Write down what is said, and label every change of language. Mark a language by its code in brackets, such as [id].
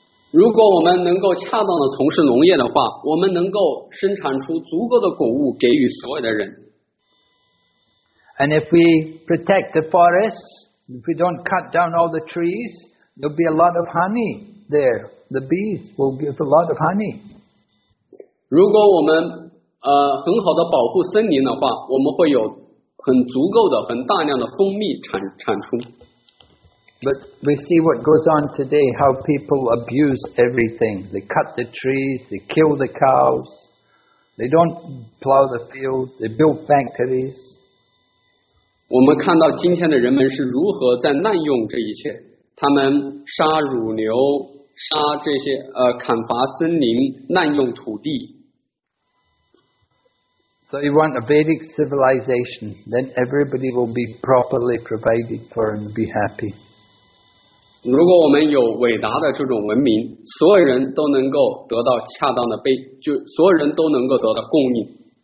[zh] 如果我们能够恰当的从事农业的话，我们能够生产出足够的谷物给予所有的人。 [en] And if we protect the forests, if we don't cut down all the trees, there'll be a lot of honey there. The bees will give a lot of honey. [zh] 如果我们很好的保护森林的话，我们会有很足够的、很大量的蜂蜜产出。 [en] But we see what goes on today, how people abuse everything. They cut the trees, they kill the cows, they don't plow the field, they build factories. [zh] 我们看到今天的人们是如何在滥用这一切，他们杀乳牛，杀这些砍伐森林，滥用土地。 [en] So you want a Vedic civilization, then everybody will be properly provided for and be happy. [zh] 如果我们有伟达的这种文明，所有人都能够得到恰当的被，就所有人都能够得到供应。